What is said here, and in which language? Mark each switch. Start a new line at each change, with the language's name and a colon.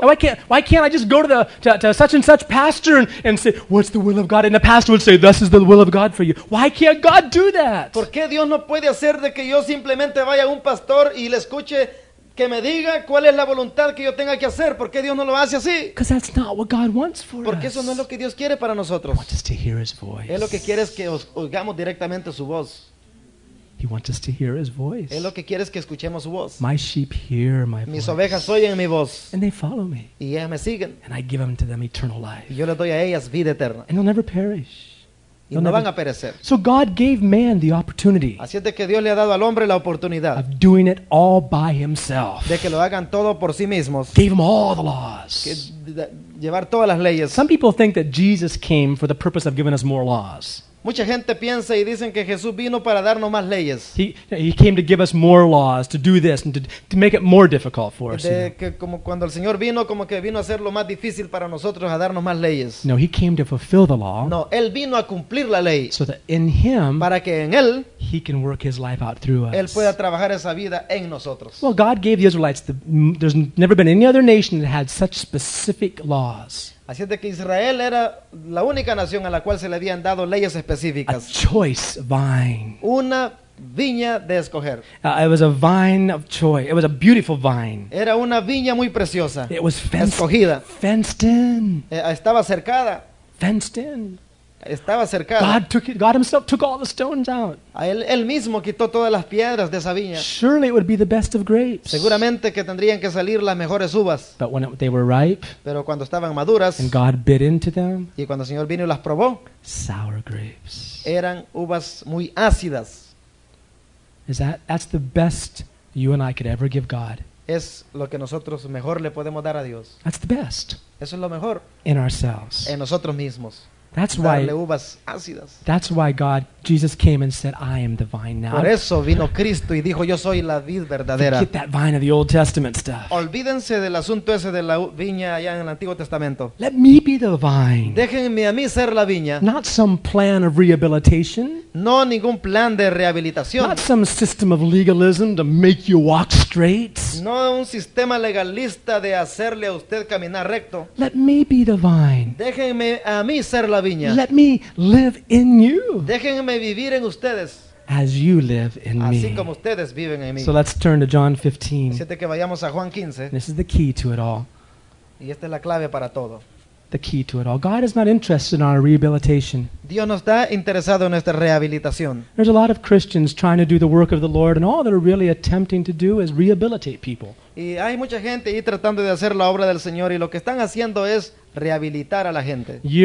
English: Why can't I just go to such and such pastor and say, what's the will of God? And the pastor would say, this is the will of God for you. Why can't God do that?
Spanish: ¿Por qué Dios no puede hacer de que yo simplemente vaya a un pastor y le escuche que me diga cuál es la voluntad que yo tenga que hacer? ¿Por qué Dios no lo hace así?
English: Because that's not what God wants for us.
Spanish: Porque eso no es lo que Dios quiere para nosotros.
English: He wants us to hear His voice.
Spanish: Él lo que quiere es que oigamos directamente su voz.
English: He wants us to hear his voice.
Spanish: Es lo que quiere es que escuchemos su voz.
English: My sheep hear my voice.
Spanish: Mis ovejas oyen mi voz.
English: And they follow me.
Spanish: Y ellas me siguen.
English: And I give them to them eternal life.
Spanish: Y yo les doy a ellas vida eterna.
English: And they'll never perish.
Spanish: Y no van a perecer.
English: So God gave man the opportunity.
Spanish: Así es de que Dios le ha dado al hombre la oportunidad.
English: Of doing it all by himself.
Spanish: De que lo hagan todo por sí mismos.
English: Gave him all the laws.
Spanish: Que llevar todas las leyes.
English: Some people think that Jesus came for the purpose of giving us more laws.
Spanish: Mucha gente piensa y dicen que Jesús vino para darnos más leyes.
English: He came to give us more laws to do this and to make it more difficult for us.
Spanish: De que como cuando el Señor vino, como que vino a hacerlo más difícil para nosotros, a darnos más leyes.
English: No, he came to fulfill the law.
Spanish: No, él vino a cumplir la ley.
English: So that in him,
Spanish: para que en él,
English: he can work his life out through us.
Spanish: Él pueda trabajar esa vida en nosotros.
English: Well, God gave the Israelites there's never been any other nation that had such specific laws.
Spanish: Así es de que Israel era la única nación a la cual se le habían dado leyes específicas.
English: A choice vine.
Spanish: Una viña de escoger.
English: It was a vine of choice. It was a beautiful vine.
Spanish: Era una viña muy preciosa.
English: It was fenced,
Spanish: escogida.
English: Fenced in.
Spanish: Estaba cercada.
English: Fenced in.
Spanish: Estaba cercada.
English: God took it, God himself took all the stones out.
Spanish: Él mismo quitó todas las piedras de esa viña.
English: Surely it would be the best of grapes.
Spanish: Seguramente que tendrían que salir las mejores uvas.
English: But when they were ripe,
Spanish: pero cuando estaban maduras,
English: and God bit into them,
Spanish: y cuando el Señor vino y las probó,
English: sour grapes.
Spanish: Eran uvas muy ácidas.
English: Is that's the best you and I could ever give God.
Spanish: Es lo que nosotros mejor le podemos dar a Dios.
English: That's the best.
Spanish: Eso es lo mejor.
English: In ourselves.
Spanish: En nosotros mismos.
English: That's why God, Jesus came and said, I am the vine now.
Spanish: Por eso vino Cristo y dijo, yo soy la vid verdadera.
English: Get that vine of the Old Testament stuff.
Spanish: Olvídense del asunto ese de la viña allá en el Antiguo Testamento.
English: Let me be the vine.
Spanish: Déjenme a mí ser la viña.
English: Not some plan of rehabilitation.
Spanish: No ningún plan de rehabilitación.
English: Not some system of legalism to make you walk straight.
Spanish: No un sistema legalista de hacerle a usted caminar recto.
English: Let me be the vine.
Spanish: Déjenme a mí ser la viña.
English: Let me live in you.
Spanish: Déjenme vivir en ustedes.
English: As you live in
Spanish: así
English: me.
Spanish: Así como ustedes viven en mí.
English: So let's turn to John 15.
Spanish: Siete que vayamos a Juan 15.
English: This is the key to it all.
Spanish: Y esta es la clave para todo.
English: The key to it all. God is not interested in our rehabilitation.
Spanish: Dios no está interesado en nuestra rehabilitación.
English: There's a lot of Christians trying to do the work of the Lord, and all they're really attempting to do is rehabilitate people.
Spanish: Y hay mucha gente ahí tratando de hacer la obra del Señor, y lo que están haciendo es rehabilitar a la gente.